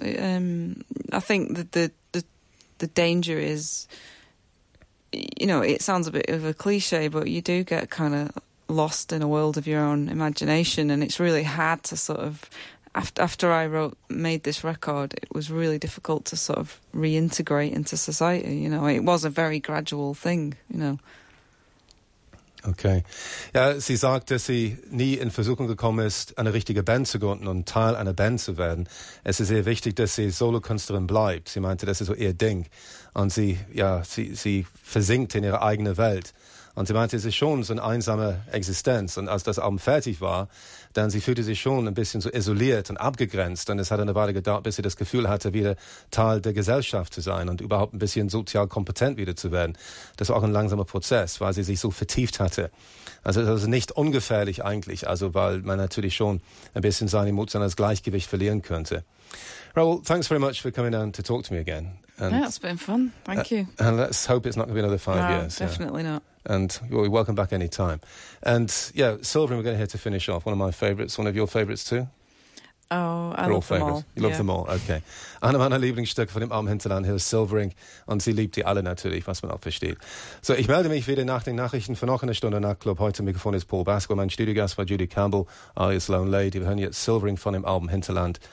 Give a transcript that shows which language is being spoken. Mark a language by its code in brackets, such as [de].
[en] I think that the danger is, you know, it sounds a bit of a cliche, but you do get kind of lost in a world of your own imagination, and it's really hard to sort of, after I made this record, it was really difficult to sort of reintegrate into society, you know. It was a very gradual thing, you know. Okay. [de] Ja, sie sagt, dass sie nie in Versuchung gekommen ist, eine richtige Band zu gründen und Teil einer Band zu werden. Es ist sehr wichtig, dass sie Solokünstlerin bleibt. Sie meinte, das ist so ihr Ding. Und sie, ja, sie versinkt in ihre eigene Welt. Und sie meinte, es ist schon so eine einsame Existenz. Und als das Album fertig war, dann sie fühlte sich schon ein bisschen so isoliert und abgegrenzt. Und es hat eine Weile gedauert, bis sie das Gefühl hatte, wieder Teil der Gesellschaft zu sein und überhaupt ein bisschen sozial kompetent wieder zu werden. Das war auch ein langsamer Prozess, weil sie sich so vertieft hatte. Also das ist nicht ungefährlich eigentlich, also weil man natürlich schon ein bisschen sein emotionales Gleichgewicht verlieren könnte. [en] Raoul, thanks very much for coming down to talk to me again. And yeah, it's been fun. Thank you. And let's hope it's not going to be another 5 years. Definitely not. And you're welcome back any time. And yeah, Silverin, we're going to hear to finish off. One of my favourites, one of your favourites too? Oh, I love them all. You love them all, okay. [de] Eine meiner Lieblingsstücke von dem Arm Hinterland, hier ist Silvering. Und sie liebt die alle natürlich, was man auch versteht. So, ich melde mich wieder nach den Nachrichten für noch eine Stunde Nachtclub. Heute Mikrofon ist Paul Basco. Mein Studiogast war Judy Campbell, alias Lone Lady. Wir hören jetzt Silvering von dem Arm Hinterland.